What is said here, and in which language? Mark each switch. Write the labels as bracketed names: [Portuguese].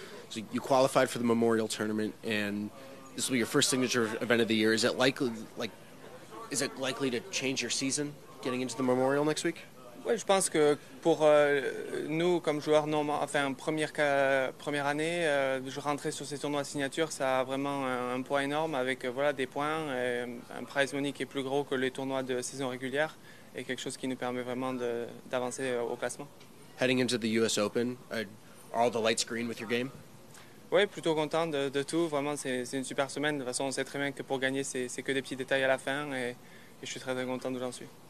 [English] So you qualified for the Memorial Tournament, and this will be your first signature event of the year. Is it likely to change your season getting into the Memorial next week? [French] Ouais, je pense que pour nous, comme joueurs, première année, je rentrais sur ces tournois signature, ça a vraiment un poids énorme avec des points, et un prize money qui est plus gros que les tournois de saison régulière, et quelque chose qui nous permet vraiment d'avancer au classement. [English] Heading into the U.S. Open, are all the lights green with your game? [French] Oui, plutôt content de tout. Vraiment, c'est une super semaine. De toute façon, on sait très bien que pour gagner, c'est que des petits détails à la fin. Et je suis très, très content d'où j'en suis.